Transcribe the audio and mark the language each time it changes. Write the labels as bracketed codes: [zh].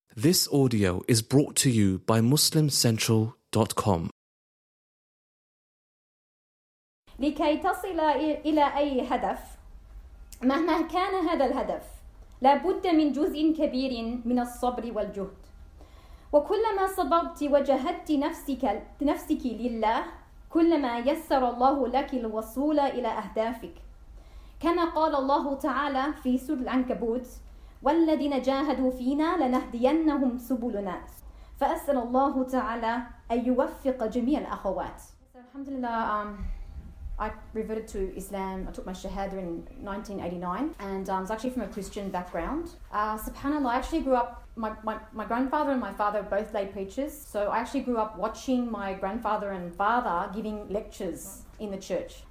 [en] This audio is brought to you by MuslimCentral.com. [ar] لكي تصل إلى أي هدف، مهما كان هذا الهدف، لابد من جزء كبير من الصبر والجهد. وكلما صبرت وجهدت نفسك لله، كلما يسر الله لك الوصول إلى أهدافك. كما قال الله تعالى في سورة العنكبوت: والذين جاهدوا فينا لنهدينهم سبلنا. فأسأل الله تعالى أن يوفق جميع الأخوات. الحمد لله، [en] I reverted to Islam. I took my shahada in 1989, and I was actually from a Christian background. SubhanAllah, I actually grew up, my grandfather and my father are both lay preachers, so I actually grew up watching my grandfather and father giving lectures in the church.